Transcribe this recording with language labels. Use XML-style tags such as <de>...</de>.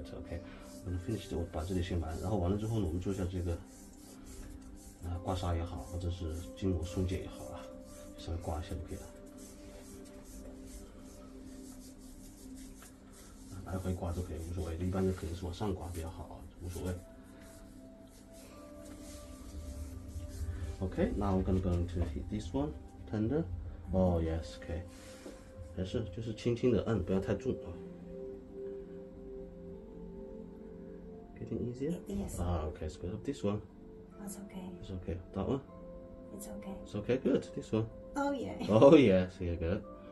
<en>okay, better. OK, when finish,</en> <zh>我把这里先完，然后完了之后呢，我们做一下这个，刮痧也好，或者是筋膜松解也好啊，稍微刮一下就可以了。来回刮都可以，无所谓。一般的可能是往上刮比较好，无所谓。</zh> <en>Okay, now I'm gonna go into this one, tender. Oh yes, okay.</en> <zh>没事，就是轻轻的按，不要太重啊。</zh> <en>Getting easier. Yes. Okay, so good. This one. That's okay. It's okay. That one. It's okay. It's okay. Good. This one. Oh yeah. Oh yes, yeah, good.</en>